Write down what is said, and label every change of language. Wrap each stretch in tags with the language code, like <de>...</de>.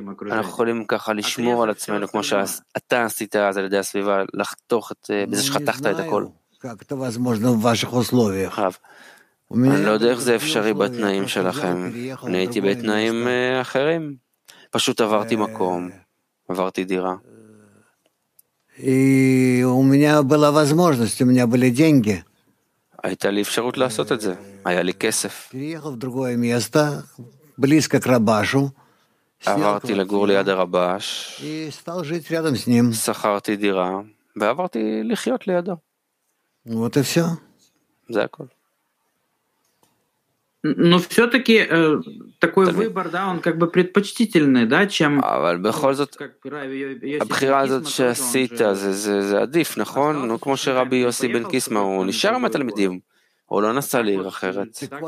<he>אנחנו יכולים ככה לשמור על עצמנו, כמו שאתה עשית אז על ידי הסביבה, לחתוך את... בזה שחתכת את הכל.</he> <ru>как это возможно в ваших условиях.</ru> <he>אני לא יודע איך זה אפשרי בתנאים שלכם. אני הייתי בתנאים אחרים. פשוט עברתי מקום, עברתי דירה.</he> <ru>у меня была возможность, у меня были деньги.</ru> <he>הייתה לי אפשרות לעשות את זה. היה לי כסף.</he> <ru>переехал в другое место, близко к רבשו,</ru> <he>עברתי לגור ליד הרבש, שכרתי דירה, ועברתי לחיות לידו.</he> <ru>Вот и все.</ru> <he>זה הכל.</he> <ru>Но все-таки такой выбор, да, он как бы предпочтительный, да, чем...</ru> <he>אבל בכל זאת, הבחירה הזאת שעשית, זה עדיף, נכון? נו, כמו שרבי יוסי בן קיסמה, הוא נשאר עם התלמידים. הוא לא נסע לעיר אחרת.</he>